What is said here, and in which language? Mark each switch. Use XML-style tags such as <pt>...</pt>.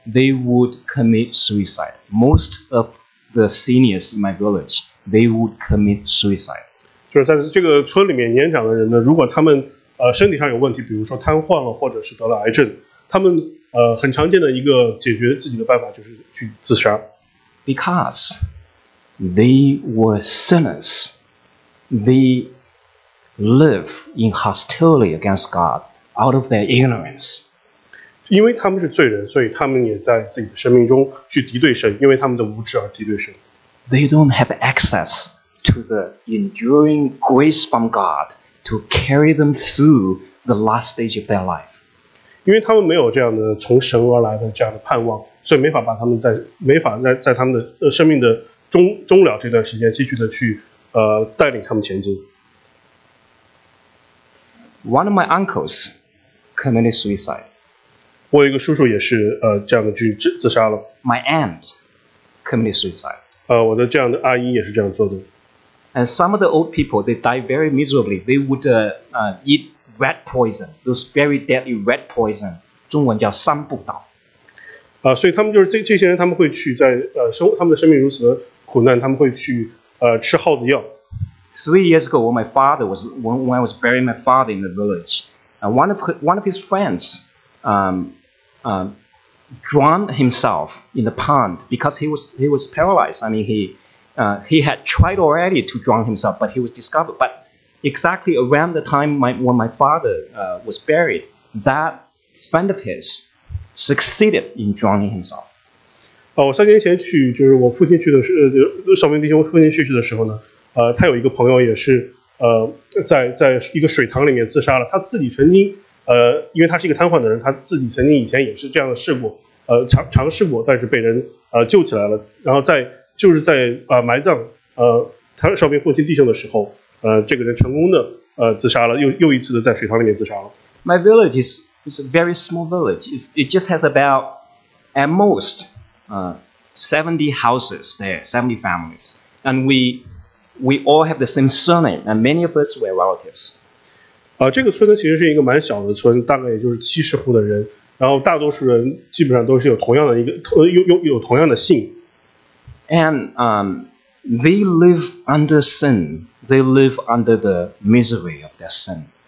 <en>they would commit suicide. Most of the seniors in my village, they would commit suicide.</en> <zh>就是在这个村里面年长的人呢，如果他们身体上有问题，比如说瘫痪了或者是得了癌症，他们很常见的一个解决自己的办法就是去自杀。</zh> <en>Because they were sinners, they live in hostility against God out of their ignorance.</en> <zh>因为他们是罪人，所以他们也在自己的生命中去敌对神，因为他们的无知而敌对神。</zh> <en>They don't have access to the enduring grace from God to carry them through the last stage of their life.</en> <zh>因为他们没有这样的从神而来的这样的盼望，所以没法把他们在没法在在他们的生命的终了这段时间继续的去带领他们前进。</zh> <en>One of my uncles committed suicide.</en> <zh>我有一个叔叔也是这样的去自杀了。</zh> <en>My aunt committed suicide.</en> <zh>我的这样的阿姨也是这样做的。</zh> <en>And some of the old people, they die very miserably. They would eat rat poison, those very deadly rat poison.</en> <zh>中文叫三不倒。所以他们就是这些人，他们会去在他们的生命如此苦难，他们会去吃耗子药。</zh> <en>3 years ago, when my father was when I was burying my father in the village, one of his friends drowned himself in the pond because he was paralyzed. I mean he had tried already to drown himself, but he was discovered. But exactly around the time when my father was buried, that friend of his succeeded in drowning himself.</en> <zh>我3年前去，就是我父亲去的时，少明弟兄父亲去的时候呢，他有一个朋友也是在一个水塘里面自杀了。他自己曾经因为他是一个瘫痪的人，他自己曾经以前也是这样的试过，尝试过，但是被人救起来了。然后在就是在埋葬他少明父亲弟兄的时候，这个人成功的自杀了，又一次的在水塘里面自杀了。</zh> <en>My village is a very small village. It just has about at most 70 houses there, 70 families, and we all have the same surname, and many of us were relatives.</en> <zh>这个村呢其实是一个蛮小的村，大概也就是70户的人，然后大多数人基本上都是有同样的一个有同样的姓。</zh> <en>And they live under sin. They live under the misery of their sin.</en>